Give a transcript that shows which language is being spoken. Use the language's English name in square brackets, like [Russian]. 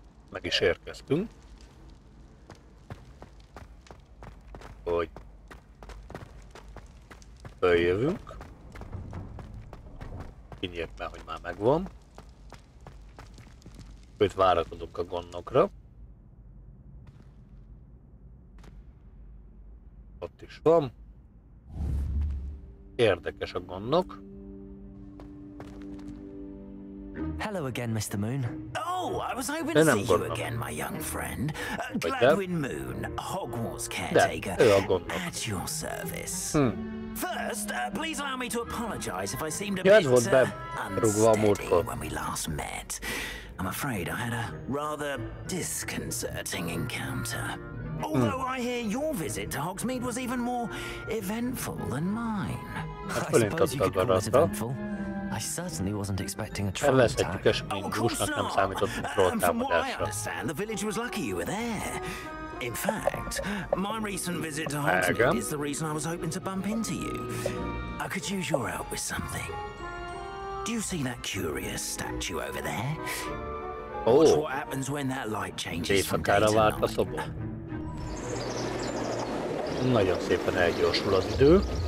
[Hungarian] Meg is érkeztünk, hogy följövünk, kinyírt be, hogy már megvan, őt várakozunk a gondnokra, ott is van, érdekes a gondnok. [English] Hello again, Mr. Moon. Oh, I was hoping to see you again, my young friend. Gladwin Moon, Hogwarts caretaker, at your service. First, please allow me to apologize if I seemed a bit unsteady when we last met. I'm afraid I had a rather disconcerting encounter. Although I hear your visit to Hogsmeade was even more eventful than mine. I suppose you could call it eventful. I certainly wasn't expecting a troll attack. Oh, of course not. And from what I understand, the village was lucky you were there. In fact, my recent visit to Hogsmeade is the reason I was hoping to bump into you. I could use your help with something. Do you see that curious statue over there? Oh. Watch what happens when that light changes from day to night. [Hungarian] Nagyon szépen elgyorsul az idő.